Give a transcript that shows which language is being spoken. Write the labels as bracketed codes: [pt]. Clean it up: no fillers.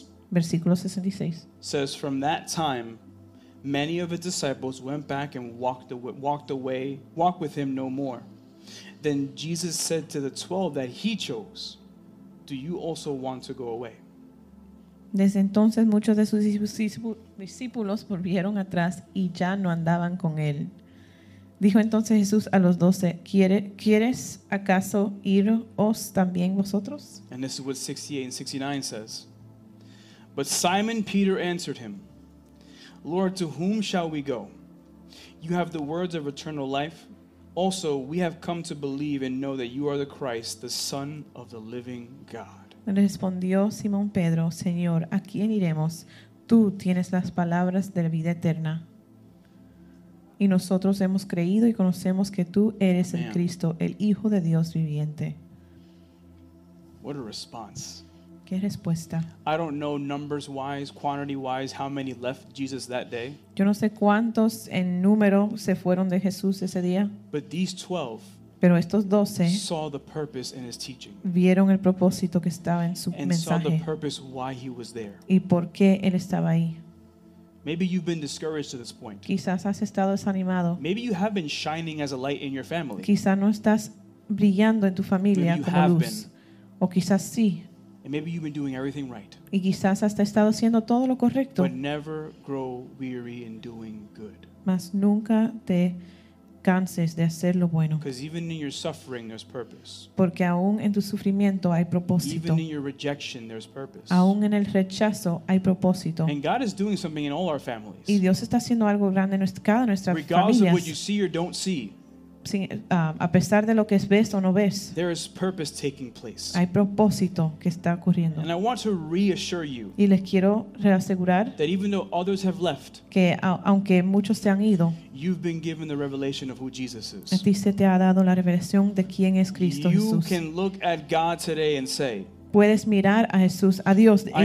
[en] Versículo 66 says, from that time, many of his disciples went back and walked with him no more. Then Jesus said to the 12 that he chose, do you also want to go away? [es] Desde entonces muchos de sus discípulos volvieron atrás y ya no andaban con él. Dijo entonces Jesús a los 12, ¿quieres acaso iros también vosotros? [en] And this is what 68 and 69 says. But Simon Peter answered him, Lord, to whom shall we go? You have the words of eternal life. Also, we have come to believe and know that you are the Christ, the Son of the living God. [es] Respondió Simón Pedro, Señor, ¿a quién iremos? Tú tienes las palabras de la vida eterna. y nosotros hemos creído y conocemos que tú eres el Cristo, el Hijo de Dios viviente. [en] What a response. [es] ¿Qué respuesta? [en] I don't know numbers wise, quantity wise, how many left Jesus that day. [es] Yo no sé cuántos en número se fueron de Jesús ese día. [en] But these 12, [es] pero estos 12 [en] saw the purpose in his teaching. [es] Vieron el propósito que estaba en su [en] and [es] mensaje. [en] Saw the purpose why he was there. [es] Y por qué él estaba ahí. [en] Maybe you've been discouraged to this point. [es] Quizás has estado desanimado. [en] Maybe you have been shining as a light in your family. [es] Quizás no estás brillando en tu familia como luz. O quizás sí. [en] And maybe you've been doing everything right. [es] Y quizás has estado haciendo todo lo correcto. [en] But never grow weary in doing good. [es] Mas nunca te canses de hacer lo bueno. [en] Because even in your suffering, there's purpose. [es] Porque aún en tu sufrimiento hay propósito. [en] Even in your rejection, there's purpose. [es] Aún en el rechazo hay propósito. [en] And God is doing something in all our families. [es] Y Dios está haciendo algo grande en cada nuestra familia. [en] Regardless of what you see or don't see. [es] A pesar de lo que ves o no ves, [en] there is purpose taking place. [es] Hay propósito que está ocurriendo. [en] And I want to reassure you, [es] y les quiero reasegurar, [en] that even though others have left, [es] que aunque muchos se han ido, [en] you've been given the revelation of who Jesus is. [es] A ti se te ha dado la revelación de quién es Cristo Jesús. [en] can look at God today and say, [es] puedes mirar a Jesús, a Dios, y decir,